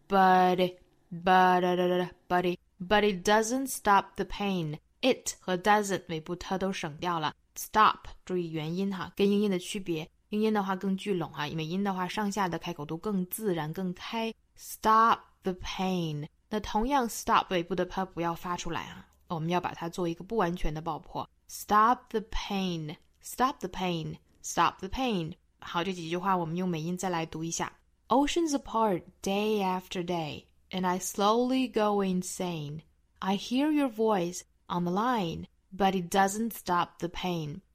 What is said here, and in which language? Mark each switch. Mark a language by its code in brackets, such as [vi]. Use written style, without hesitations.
[en] Buddy, buddy, but it doesn't stop the pain. [zh] It 和 doesn't 尾部它都省掉了。 Stop 注意元音哈，跟英音的区别，英音的话更聚拢哈，美音的话上下的开口都更自然更开。 [en] Stop the pain， [zh] 那同样 stop 尾部的 p 不要发出来哈，我们要把它做一个不完全的爆破。 [en] Stop the pain, stop the pain, stop the pain。 [zh] 好，这几句话我们用美音再来读一下。 [en] Oceans apart, day after day, and I slowly go insane. I hear your voice on the line, but it doesn't stop the pain.